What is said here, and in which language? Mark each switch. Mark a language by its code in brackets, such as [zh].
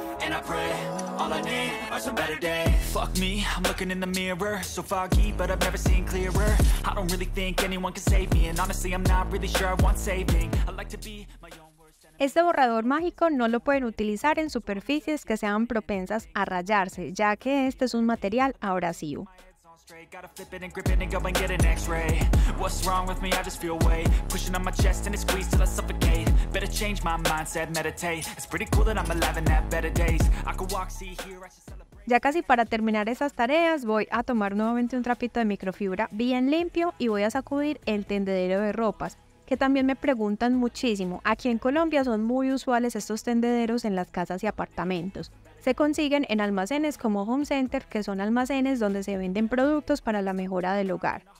[en] And I pray, all I need are some better days. Fuck me, I'm looking in the mirror. So foggy, but I've never seen clearer. I don't really think anyone can save me. And honestly, I'm not really sure I want saving. I'd like to be my own worst enemy. [es] Este borrador mágico no lo pueden utilizar en superficies que sean propensas a rayarse, ya que este es un material abrasivo. [en] Gotta flip it and grip it and go and get an x-ray. What's wrong with me? I just feel weight pushing on my chest and it squeezes till I suffocate. Better change my mindset, meditate. It's pretty cool that I'm alive and have better days. I could walk, see, hear, I should celebrate. [es] Ya casi para terminar esas tareas, voy a tomar nuevamente un trapito de microfibra bien limpio y voy a sacudir el tendedero de ropas, que también me preguntan muchísimo. Aquí en Colombia son muy usuales estos tendederos en las casas y apartamentos. Se consiguen en almacenes como Home Center, que son almacenes donde se venden productos para la mejora del hogar.